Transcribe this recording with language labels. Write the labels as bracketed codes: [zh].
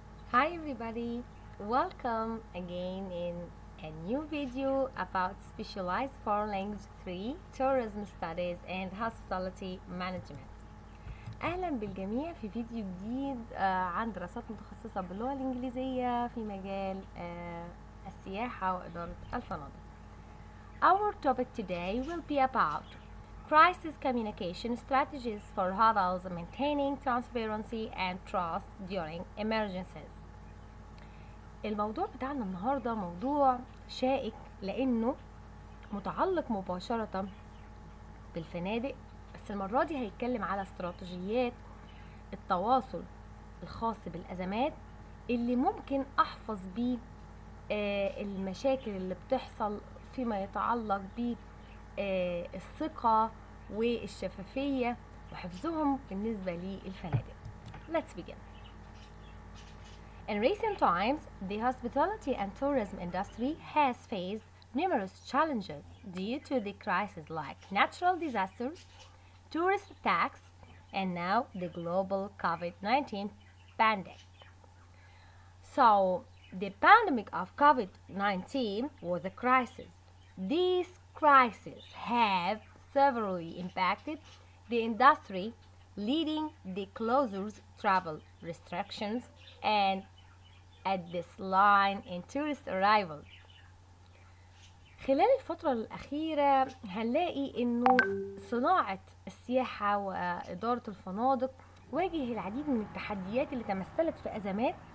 [en] Hi everybody, welcome again in a new video about specialized foreign language 3, tourism studies and hospitality management. [ar] اهلا بالجميع في فيديو جديد عن دراسات متخصصة باللغة الانجليزية في مجال السياحة وإدارة الفنادق. [en] Our topic today will be about crisis communication strategies for hotels maintaining transparency and trust during emergencies. [ar] الموضوع بتاعنا النهاردة موضوع شائك لأنه متعلق مباشرة بالفنادق بس المرة دي هيتكلم على استراتيجيات التواصل الخاص بالأزمات اللي ممكن أحفظ بيه المشاكل اللي بتحصل فيما يتعلق بالثقة والشفافية وحفظهم بالنسبة للفنادق. [en] Let's begin. In recent times, the hospitality and tourism industry has faced numerous challenges due to the crisis like natural disasters, tourist attacks, and now the global COVID-19 pandemic. So, the pandemic of COVID-19 was a crisis. These crises have severely impacted the industry, leading the closures, travel restrictions, and at this line in tourist arrival. [ar] خلال الفترة الأخيرة هنلاقي إنه صناعة السياحة وإدارة الفنادق واجه العديد من التحديات اللي تمثلت في أزمات.